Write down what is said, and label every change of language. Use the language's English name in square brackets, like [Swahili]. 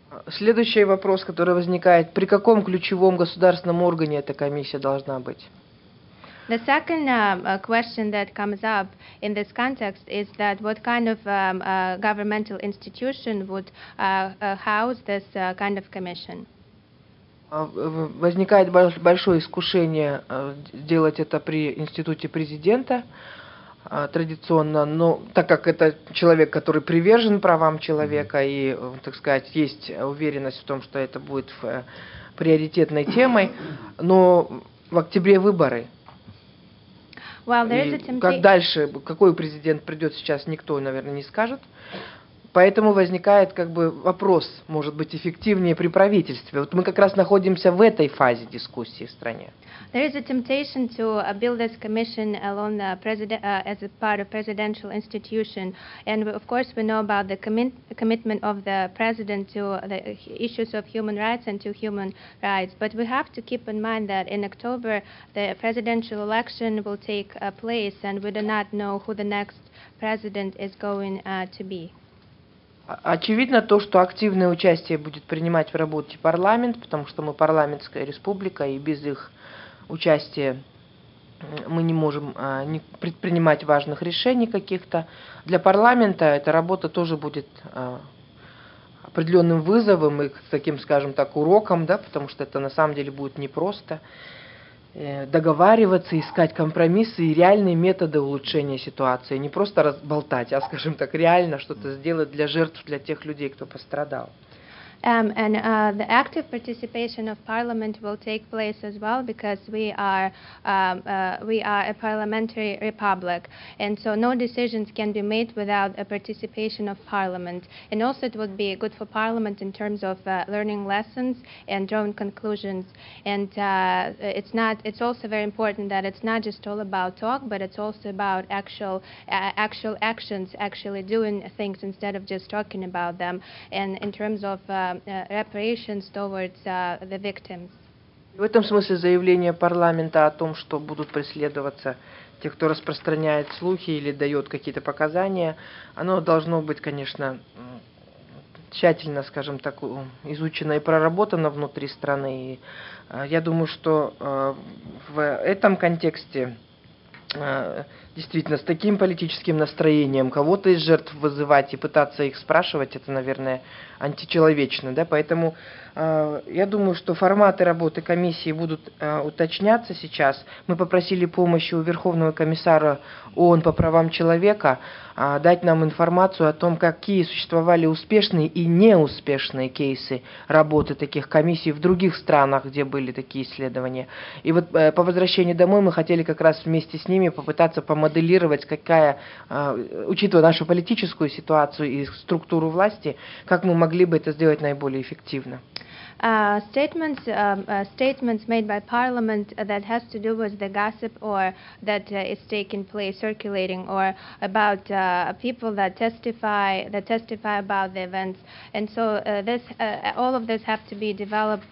[Russian] Следующий вопрос, который возникает: при каком ключевом государственном органе эта комиссия должна быть? [English] The second question that comes up in this context is that what kind of governmental institution would house this kind of commission? [Russian] Возникает большое искушение сделать это при институте президента традиционно, но так как это человек, который привержен правам человека и, так сказать, есть уверенность в том, что это будет приоритетной темой, но в октябре выборы. [English] Well, there is a [Russian] как дальше, какой президент придет сейчас, никто, наверное, не скажет. Поэтому возникает как бы вопрос, может быть, эффективнее при правительстве. Вот мы как раз находимся в этой фазе дискуссии в стране. [English] There is a temptation to build this commission along the president as a part of presidential institution, and of course we know about the commitment of the president to the issues of human rights and to human rights. But we have to keep in mind that in October the presidential election will take place, and we do not know who the next president is going to be. [Russian] Очевидно то, что активное участие будет принимать в работе парламент, потому что мы парламентская республика, и без их участия мы не можем не предпринимать важных решений каких-то. Для парламента эта работа тоже будет определенным вызовом и таким, скажем так, уроком, да, потому что это на самом деле будет непросто договариваться, искать компромиссы и реальные методы улучшения ситуации. Не просто разболтать, а, скажем так, реально что-то сделать для жертв, для тех людей, кто пострадал. [English] And the active participation of Parliament will take place as well because we are a parliamentary republic, and so no decisions can be made without a participation of Parliament. And also, it would be good for Parliament in terms of learning lessons and drawing conclusions. And it's also very important that it's not just all about talk, but it's also about actual actions, actually doing things instead of just talking about them. And in terms of reparations towards the victims. [Russian] В этом смысле заявление парламента о том, что будут преследоваться тех, кто распространяет слухи или дает какие-то показания, оно должно быть, конечно, тщательно, скажем так, изучено и проработано внутри страны. И я думаю, что в этом контексте действительно с таким политическим настроением кого-то из жертв вызывать и пытаться их спрашивать, это, наверное, античеловечно, да? Поэтому я думаю, что форматы работы комиссии будут уточняться сейчас. Мы попросили помощи у Верховного комиссара ООН по правам человека дать нам информацию о том, какие существовали успешные и неуспешные кейсы работы таких комиссий в других странах, где были такие исследования. И вот по возвращении домой мы хотели как раз вместе с ними попытаться помоделировать, какая, учитывая нашу политическую ситуацию и структуру власти, как мы могли бы это сделать наиболее эффективно. [English] Statements made by Parliament that has to do with the gossip or that is taking place, circulating, or about people that testify about the events, and so all of this have to be developed.